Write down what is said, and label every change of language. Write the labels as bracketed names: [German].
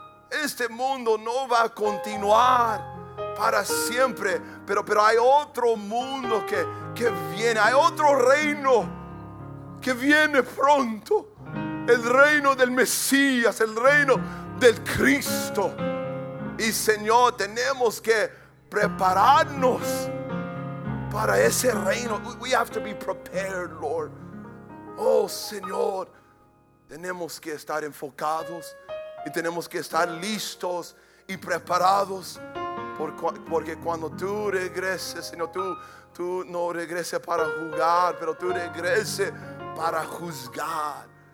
[Spanish] Este mundo no va a continuar para siempre, pero hay otro mundo que viene, hay otro reino que viene pronto, el reino del Mesías, el reino del Cristo. Y Señor, tenemos que prepararnos para ese reino. [English] We have to be prepared, Lord. [Spanish] Oh Señor, tenemos que estar enfocados y tenemos que estar listos y preparados. Porque cuando tú regreses, Señor, tú no regreses para juzgar, pero tú regreses para juzgar.